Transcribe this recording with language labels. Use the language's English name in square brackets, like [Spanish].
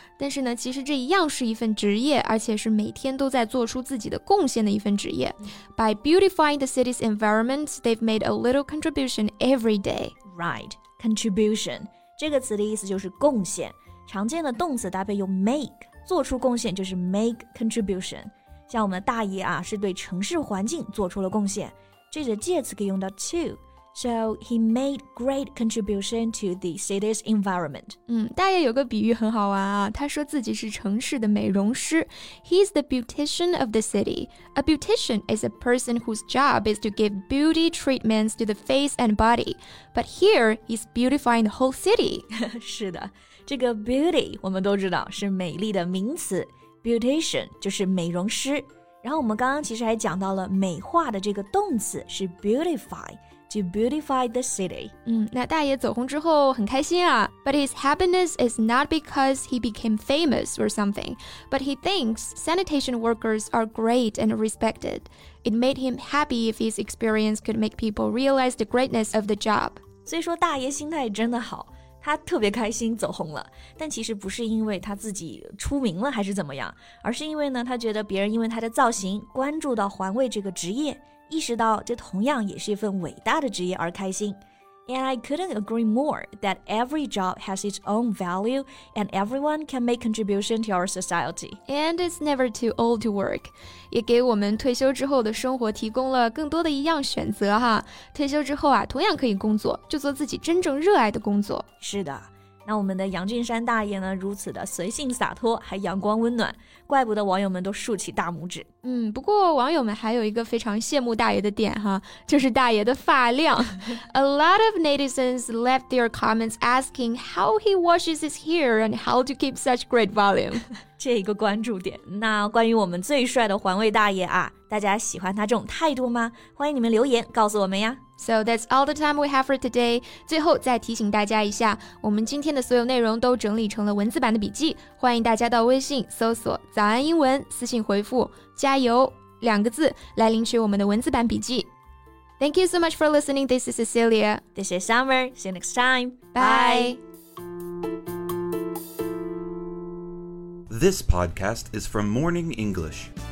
[Chinese] 但是呢，其实这一样是一份职业，而且是每天都在做出自己的贡献的一份职业。 [English] By beautifying the city's environment, they've made a little contribution every day. Right, contribution. [Chinese] 这个词的意思就是贡献。常见的动词搭配用 make, 做出贡献就是 [English] make contribution. [Chinese] 像我们的大爷啊是对城市环境做出了贡献。这个介词可以用到 to. [English] So he made great contribution to the city's environment. [Chinese] 大爷有个比喻很好玩啊，他说自己是城市的美容师。 [English] He's the beautician of the city. A beautician is a person whose job is to give beauty treatments to the face and body. But here, he's beautifying the whole city. [Chinese] 是的。这个 beauty 我们都知道是美丽的名词 beautician 就是美容师然后我们刚刚其实还讲到了美化的这个动词是 beautify [English] to beautify the city [Chinese] 那大爷走红之后很开心啊 [English] but his happiness is not because he became famous or something but he thinks sanitation workers are great and respected it made him happy if his experience could make people realize the greatness of the job [Chinese] 所以说大爷心态真的好他特别开心走红了但其实不是因为他自己出名了还是怎么样而是因为呢他觉得别人因为他的造型关注到环卫这个职业意识到这同样也是一份伟大的职业而开心 [English] And I couldn't agree more that every job has its own value and everyone can make contribution to our society And it's never too old to work [Chinese] 也给我们退休之后的生活提供了更多的一样选择哈退休之后啊同样可以工作就做自己真正热爱的工作是的那我们的杨俊山大爷呢如此的随性洒脱还阳光温暖怪不得网友们都竖起大拇指不过网友们还有一个非常羡慕大爷的点哈就是大爷的发量 [English] A lot of netizens left their comments asking how he washes his hair and how to keep such great volume [Chinese] 这一个关注点那关于我们最帅的环卫大爷啊大家喜欢他这种态度吗欢迎你们留言告诉我们呀 [English] So that's all the time we have for today. [Chinese] 最后再提醒大家一下，我们今天的所有内容都整理成了文字版的笔记，欢迎大家到微信搜索早安英文，私信回复加油两个字来领取我们的文字版笔记。 [English] Thank you so much for listening. This is Cecilia. This is Summer. See you next time. Bye. This podcast is from Morning English.